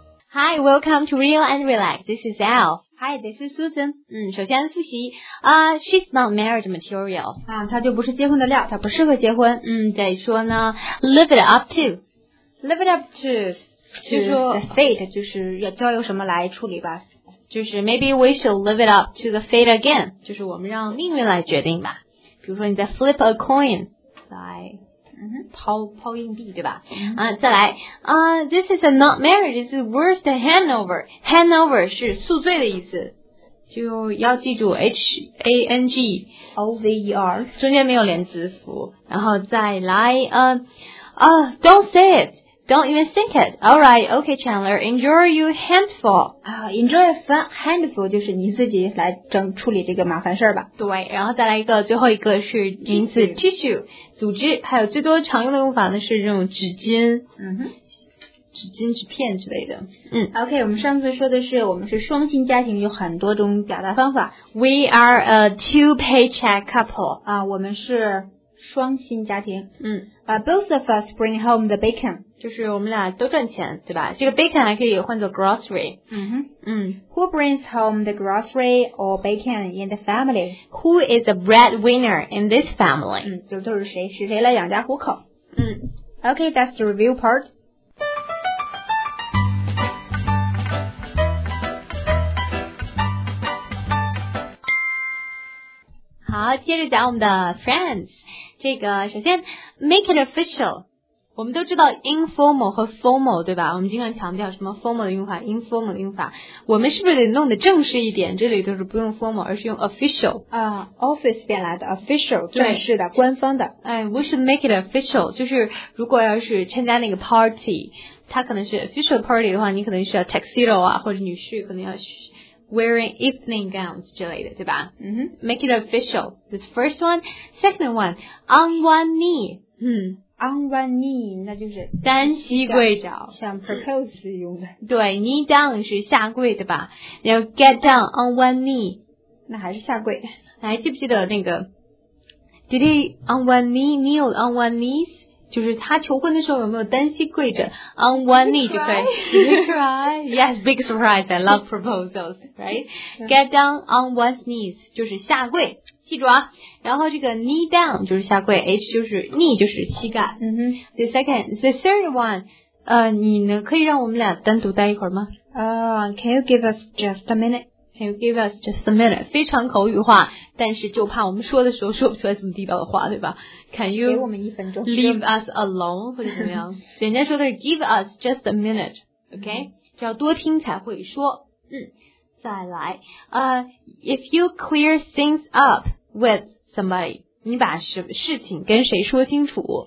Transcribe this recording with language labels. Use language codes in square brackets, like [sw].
[en] Hi, welcome to Real and Relax. This is Al. Hi, this is Susan. [zh] 首先复习 [en] she's not marriage material. [zh] 啊，她就不是结婚的料，她不适合结婚。再说呢 [en] ，live it up to. Live it up to. [zh] 就说 fate 就是要交由什么来处理吧。就是 [en] maybe we should live it up to the fate again. [zh] 就是我们让命运来决定吧。比如说你在 [en] flip a coin [zh] 来。抛硬币对吧？ [en] 再来this is a not marriage. This is worse than hangover. [zh] Hangover 是宿醉的意思，就要记住 hangover 中间没有连字符。然后再来 [en] don't say it. Don't even think it. All right, okay, Chandler. Enjoy your handful. Enjoy a handful [zh] 就是你自己来整处理这个麻烦事吧。对，然后再来一个，最后一个是仅此 tissue 组织，还有最多常用的用法呢是这种纸巾。纸巾、纸片之类的。 OK, 我们上次说的是我们是双薪家庭，有很多种表达方法。 [en] We are a two paycheck couple. [zh] 我们是双薪家庭。 [en] Both of us bring home the bacon. [zh] 就是我们俩都赚钱对吧，这个 bacon 还可以换作 grocery。 [en] Who brings home the grocery or bacon in the family? Who is the breadwinner in this family? [zh] 就都是谁，是谁来养家糊口。 [en] Okay, that's the review part. [zh] 好，接着讲我们的 friends。这个首先 [en] make it official， [zh] 我们都知道 informal 和 formal 对吧，我们经常强调什么 formal 的用法 informal 的用法，我们是不是得弄得正式一点，这里都是不用 formal 而是用 official office 变来的 official 正式的官方的。 [en] We should make it official， [zh] 就是如果要是参加那个 party， 它可能是 [en] official party [zh] 的话，你可能是要 tuxedo 啊，或者女士可能要 [en] wearing evening gowns [zh] 之类的对吧。 [en] Make it official, that's first one. Second one, on one knee. On one knee， [zh] 那就是单膝跪着，像 propose 用的。对， [en] knee down [zh] 是下跪的吧？然后 [en] get down on one knee， [zh] 那还是下跪。还记不记得那个 [en] did he on one knee kneel on one knees？ [zh] 就是他求婚的时候有没有单膝跪着 [en] on one knee [zh] 就可以。 [en] Yes, big surprise. I love proposals, right? Get down on one knees， [zh] 就是下跪。记住啊，然后这个 [en] knee down [zh] 就是下跪， h 就是 knee 就是膝盖。 [en] The third one， [zh] 你呢可以让我们俩单独待一会儿吗？ [en] Can you give us just a minute？ Can you give us just a minute？ [zh] 非常口语化，但是就怕我们说的时候说不出来这么地道的话，对吧 ？ [en] Can you [zh] 给我们一分钟 [en] ，leave us alone [zh] 或者怎么样？人家说的是 [en] give us just a minute，OK？ [zh] 这要多听才会说。再来 [en] if you clear things up with somebody， [zh] 你把事情跟谁说清楚。